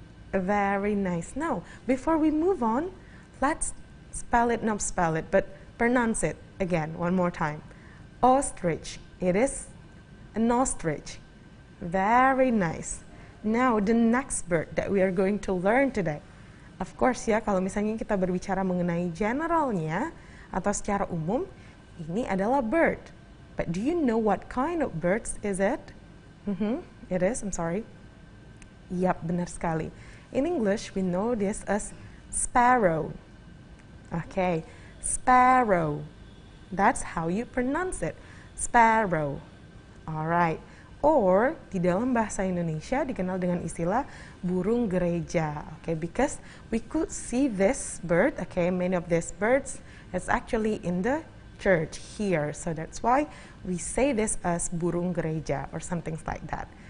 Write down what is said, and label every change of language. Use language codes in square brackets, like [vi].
[en] Very nice. Now, before we move on, let's pronounce it again, one more time. Ostrich. It is an ostrich. Very nice. Now, the next bird that we are going to learn today. [id] Of course, ya, kalau misalnya kita berbicara mengenai generalnya, atau secara umum, ini adalah bird. [en] But do you know what kind of birds is it? It is, I'm sorry. Yep, benar sekali. In English, we know this as sparrow. Okay, sparrow. That's how you pronounce it. Sparrow. Alright. [id] Or, di dalam bahasa Indonesia dikenal dengan istilah burung gereja. [en] Okay, because we could see this bird, okay, many of these birds is actually in the church here. So that's why we say this as burung gereja or something like that.